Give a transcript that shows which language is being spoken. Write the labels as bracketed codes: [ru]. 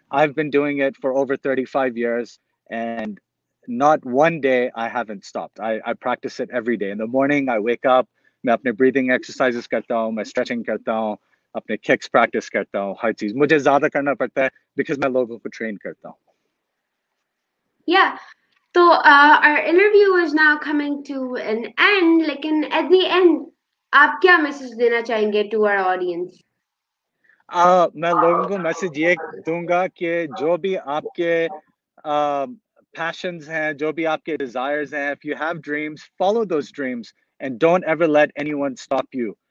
[en] I have been doing it for over 35 years and not one day I haven't stopped. I practice it every day. In the morning I wake up, [hi] मैं अपने breathing exercises करता हूँ, मैं stretching करता हूँ, अपने kicks practice करता हूँ, हर चीज मुझे ज्यादा करना पड़ता है बिकॉज मैं लोगों को ट्रेन करता हूँ. [en] Yeah, तो our interview is now coming to an end. [hi] लेकिन [en] at the end, [hi] आप क्या मैसेज देना चाहेंगे [en] to our audience? [hi] मैं लोगों को मैसेज ये दूंगा कि जो भी आपके पैशंस हैं, जो भी आपके डिजायर्स हैं, [en] If you have dreams, follow those dreams and don't ever let anyone stop you.